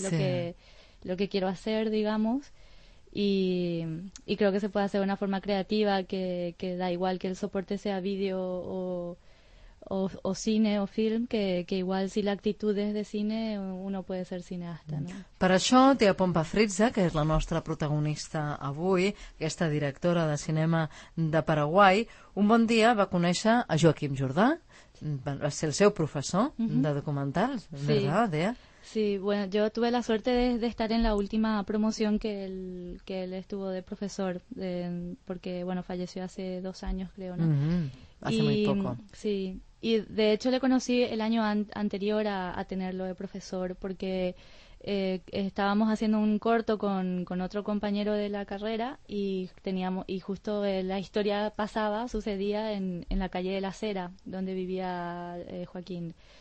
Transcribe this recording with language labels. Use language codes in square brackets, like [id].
[es] sí. lo que quiero hacer, digamos, y creo que se puede hacer de una forma creativa, que da igual que el soporte sea vídeo o cine o film, que igual si [ca] l'actitud és [es] de cine, uno puede ser cineasta, ¿no? [ca] Per això, Tia Pompa Fritza, que és la nostra protagonista avui, aquesta directora de cinema de Paraguai, un bon dia va conèixer a Joaquim Jordà, va ser el seu professor de documentals, [es] ¿verdad, sí. Dea? Sí, bueno, yo tuve la suerte de estar en la última promoción que él estuvo de profesor, porque, bueno, falleció hace 2 años, creo, ¿no? Mm-hmm. Hace y, muy poco. Sí, y de hecho le conocí el año anterior a tenerlo de profesor, porque estábamos haciendo un corto con otro compañero de la carrera y justo la historia sucedía en la calle de la Acera, donde vivía Joaquín.